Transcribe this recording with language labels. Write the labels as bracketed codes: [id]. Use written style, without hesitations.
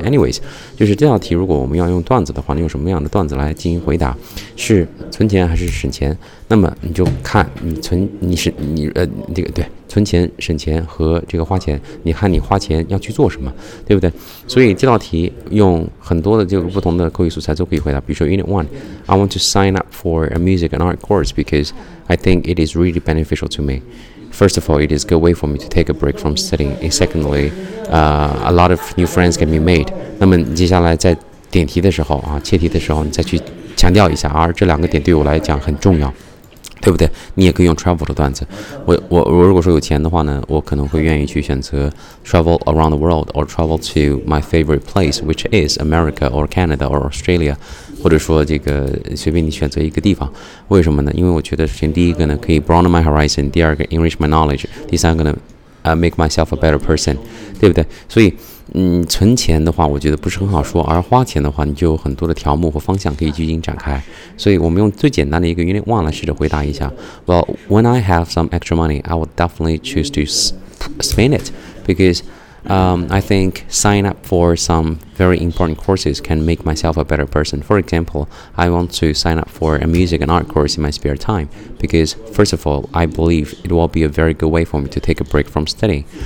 [zh] Anyways， 就是这道题如果我们要用段子的话，你用什么样的段子来进行回答，是存钱还是省钱，那么你就看你存你是你这个对存钱省钱和这个花钱，你看你花钱要去做什么，对不对？所以这道题用很多的这个不同的口语素材都可以回答。比如说 [en] Unit 1， I want to sign up for a music and art course because I think it is really beneficial to meme. First of all, it is a good way for me to take a break from studying. And secondly, a lot of new friends can be made. [zh] 那么接下来在点题的时候啊，切题的时候你再去强调一下，而这两个点对我来讲很重要，对不对？你也可以用 travel 的段子。我如果说有钱的话呢，我可能会愿意去选择 [en] travel around the world or travel to my favorite place, which is America or Canada or Australia. [zh] 或者说这个随便你选择一个地方，为什么呢？因为我觉得首先第一个呢可以 [en] broaden my horizon， [zh] 第二个 [en] enrich my knowledge， [zh] 第三个呢 [en] make myself a better person， [zh] 对不对？所以存钱的话我觉得不是很好说，而花钱的话你就有很多的条目和方向可以进行展开。所以我们用最简单的一个 unit one 来试着回答一下。 [en] Well, when I have some extra money, I would definitely choose to spend it becauseI think sign up for some very important courses can make myself a better person. For example, I want to sign up for a music and art course in my spare time because, first of all, I believe it will be a very good way for me to take a break from studying.